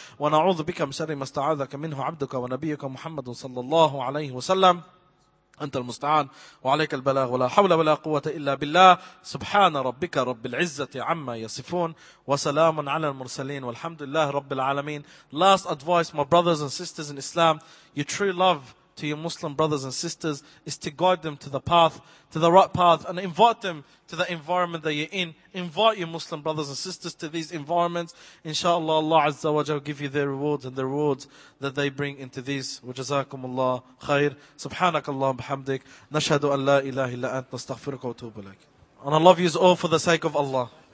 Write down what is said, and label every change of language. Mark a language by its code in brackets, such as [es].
[ar] ونعوذ بك من شر ما استعاذك منه عبدك ونبيك محمد صلى الله عليه وسلم. أنت المستعان وعليك البلاغ ولا حول ولا قوة إلا بالله. سبحان ربك رب العزة عما يصفون وسلام على المرسلين والحمد لله رب العالمين. [en] Last advice, my brothers and sisters in Islam, your true love to your Muslim brothers and sisters is to guide them to the path, to the right path, and invite them to the environment that you're in. Invite your Muslim brothers and sisters to these environments. Inshallah, Allah Azza wa Jalla will give you their rewards and the rewards that they bring into these. [ar] وجزاكم الله خير. سبحانك اللهم بحمدك. نشهد أن لا إله إلا أنت نستغفرك وتوب إليك. [en] And I love you all for the sake of Allah.